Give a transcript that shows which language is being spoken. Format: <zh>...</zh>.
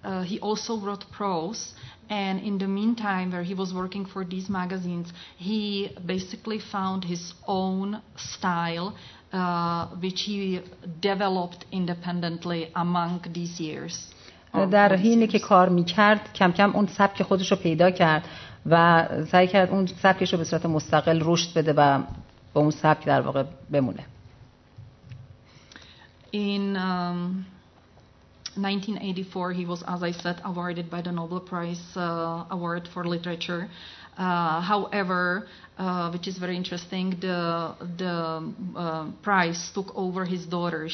<en>He also wrote prose and in the meantime where he was working for these magazines he basically found his own style which he developed independently among these years.</en> <fa>در حینی که کار میکرد کم کم اون سبک خودش رو پیدا کرد و سعی کرد اون سبکش رو به صورت مستقل رشد بده و با اون سبک در واقع بمونه.</fa> <en>In 1984 he was as I said awarded by the Nobel Prize award for literature. However, which is very interesting, the prize took over his daughter.</en>